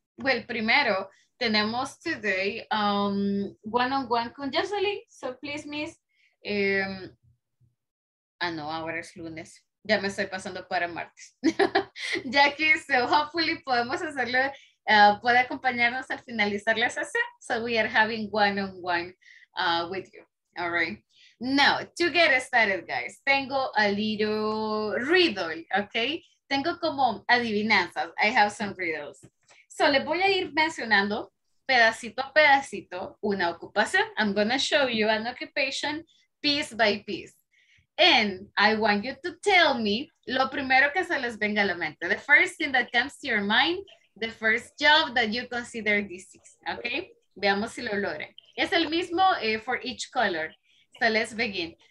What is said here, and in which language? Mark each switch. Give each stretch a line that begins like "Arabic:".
English: Well,
Spanish: primero, tenemos
English: today one-on-one
Spanish: con
English: Jocelyn. So please, miss.
Spanish: No, ahora es lunes. Ya me estoy pasando para martes. Jackie,
English: so hopefully
Spanish: podemos hacerlo, puede acompañarnos al finalizar la sesión.
English: So we are having one-on-one with you. All right. Now, to get started, guys,
Spanish: tengo
English: a little riddle, okay?
Spanish: Tengo como adivinanzas.
English: I have some riddles.
Spanish: So, le voy a ir mencionando pedacito a pedacito una ocupación.
English: I'm going to show you an occupation piece by piece. And I want you to tell me
Spanish: lo primero que se les venga a la mente.
English: The first thing that comes to your mind, the first job that you consider this is.
Spanish: Okay? Veamos si lo logren. Es el mismo
English: for each color. So, let's begin.